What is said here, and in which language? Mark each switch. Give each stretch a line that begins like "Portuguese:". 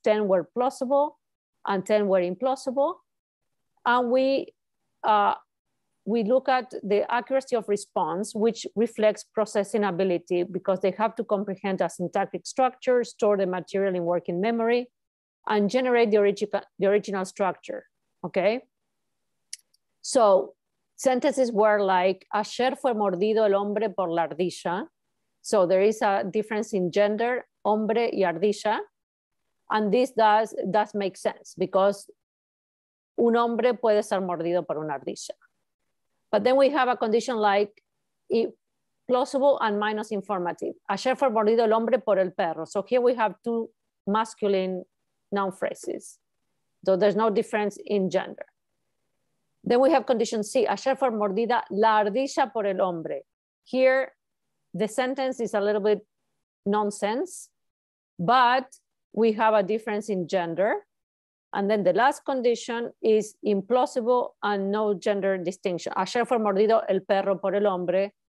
English: 10 were plausible and 10 were implausible. And we look at the accuracy of response, which reflects processing ability, because they have to comprehend a syntactic structure, store the material in working memory, and generate the original structure, okay? So sentences were like,
Spanish: ayer fue mordido el hombre por la ardilla.
English: So there is a difference in gender,
Spanish: hombre y ardilla.
English: And this does make sense because
Spanish: un hombre puede ser mordido por una ardilla.
English: But then we have a condition like plausible and minus informative.
Spanish: Ayer fue mordido el hombre por el perro.
English: So here we have two masculine noun phrases. So there's no difference in gender. Then we have condition C.
Spanish: Ayer fue mordida la ardilla por el hombre.
English: Here, the sentence is a little bit nonsense, but we have a difference in gender. And then the last condition is implausible and no gender distinction.
Spanish: Ayer fue mordido el perro por el hombre.